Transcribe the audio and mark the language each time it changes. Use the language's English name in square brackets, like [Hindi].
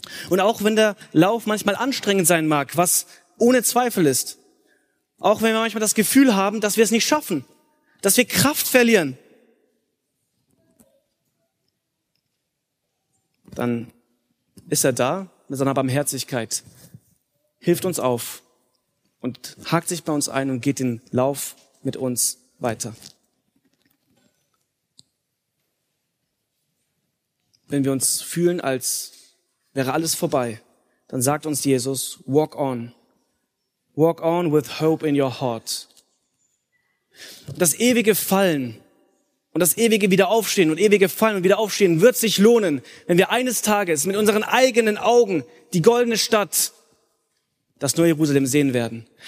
[German] Und auch wenn der Lauf manchmal anstrengend sein mag, was ohne Zweifel ist, auch wenn wir manchmal das Gefühl haben, dass wir es nicht schaffen, dass wir Kraft verlieren, dann ist er da mit seiner Barmherzigkeit, hilft uns auf und hakt sich bei uns ein und geht den Lauf mit uns weiter. Wenn wir uns fühlen, als wäre alles vorbei, dann sagt uns Jesus, [English] walk on. Walk on with hope in your heart. [German] Das ewige Fallen und das ewige Wiederaufstehen und ewige Fallen und Wiederaufstehen wird sich lohnen, wenn wir eines Tages mit unseren eigenen Augen die goldene Stadt, das neue Jerusalem sehen werden.